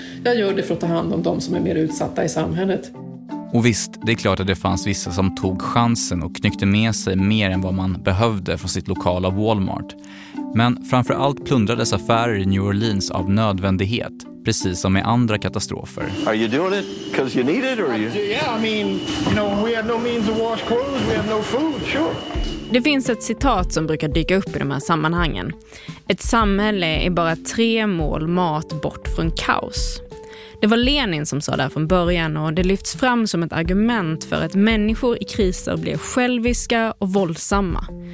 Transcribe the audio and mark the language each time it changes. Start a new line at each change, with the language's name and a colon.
Swedish: Jag gör det för att ta hand om de som är mer utsatta i samhället. Och visst, det är klart att det fanns vissa som tog chansen och knyckte med sig mer än vad man behövde från sitt lokala Walmart. Men framförallt plundrades affärer i New Orleans av nödvändighet, precis som i andra katastrofer.
English: Are you doing it because you need it or are you? Yeah, I mean, you know, we have no means to wash clothes, we have no food, sure.
Swedish: Det finns ett citat som brukar dyka upp i de här sammanhangen. Ett samhälle är bara 3 mål mat bort från kaos. Det var Lenin som sa där från början och det lyfts fram som ett argument för att människor i kriser blir själviska och våldsamma.